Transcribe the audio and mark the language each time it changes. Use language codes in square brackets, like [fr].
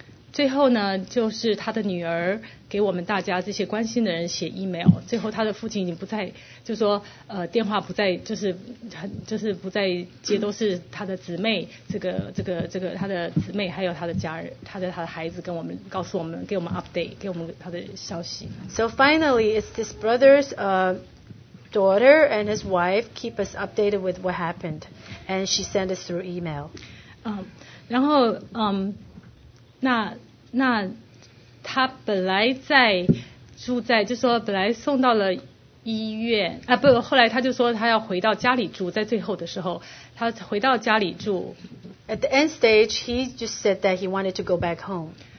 [zh] 最后呢，就是他的女儿给我们大家这些关心的人写 email。最后，他的父亲已经不在，就说电话不在，就是不在接，都是他的姊妹，这个他的姊妹，还有他的家人，他的孩子跟我们告诉我们，给我们 update， 给我们他的消息。 [en] So finally, it's this brother's daughter and his wife keep us updated with what happened, and she sent us through email. [zh] 然后那他本来在住在，就说本来送到了医院啊，不，后来他就说他要回到家里住，在最后的时候，他回到家里住。 [en] At the end stage, he just said that he wanted to go back home.